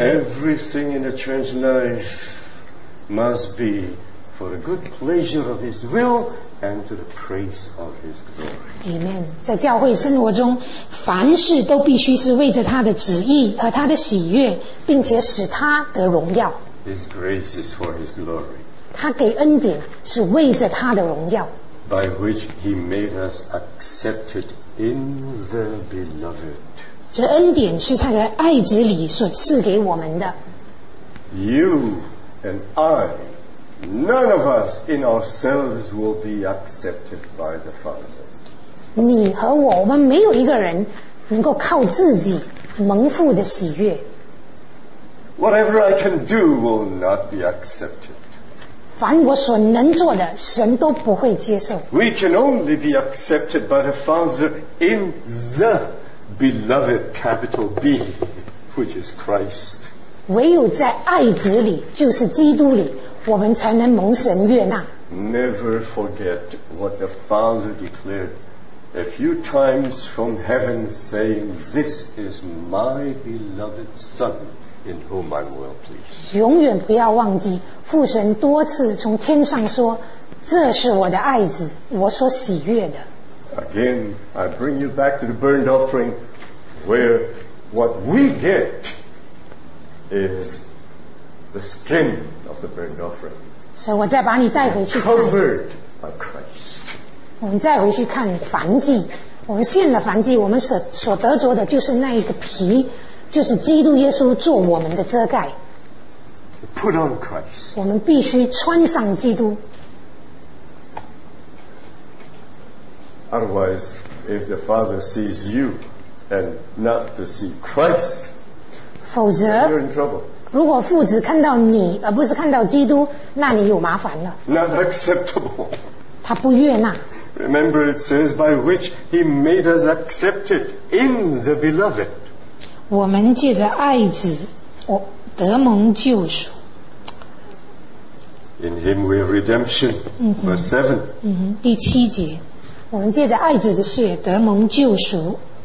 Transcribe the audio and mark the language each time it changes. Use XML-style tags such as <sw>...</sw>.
<en>Everything in the church life must be for the good pleasure of His will and to the praise of His glory. Amen.</en> <zh>在教会生活中，凡事都必须是为着他的旨意和他的喜悦，并且使他得荣耀。</zh> <en>His grace is for His glory.</en> <zh>他给恩典是为着他的荣耀。</zh> <en>By which He made us accepted in the Beloved.</en> <zh>这恩典是他在爱子里所赐给我们的。</zh> <en>You and I, none of us in ourselves will be accepted by the Father.</en> <zh>你和我，我们没有一个人能够靠自己蒙父的喜悦。</zh> <en>Whatever I can do will not be accepted.</en> <zh>凡我所能做的，神都不会接受。</zh> <en>We can only be accepted by the Father in theBeloved, capital B, which is Christ.</en> <zh>唯有在爱子里，就是基督里，我们才能蒙神悦纳。</zh> <en>Never forget what the Father declared a few times from heaven, saying, "This is my beloved Son, in whom I am well pleased."</en> <zh>永远不要忘记，父神多次从天上说，这是我的爱子，我所喜悦的。</zh> <en>Again, I bring you back to the burnt offering where what we get is the skin of the burnt offering.</en> <zh>So, 我再把你带回去。</zh> <en>Covered by Christ.</en> <zh>我们再回去看燔祭，我们献了燔祭，我们所得着的就是那一个皮，就是基督耶稣做我们的遮盖。</zh> <en>Put on Christ.</en> <zh>我们必须穿上基督。</zh> <en>Otherwise, if the Father sees you and not to see Christ,</en> <zh>否则</zh> <en>you're in trouble.</en> <zh>如果父子看到你而不是看到基督，那你有麻烦了。</zh> <en>Not acceptable.</en> <zh>他他不悦纳。</zh> <en>Remember, it says by which he made us accepted in the beloved.</en> <zh>我们借着爱子，得蒙救赎。</zh> <en>In him we have redemption. Verse 7.</en> <zh>第七节，我们借着爱子的血得蒙救赎。</zh>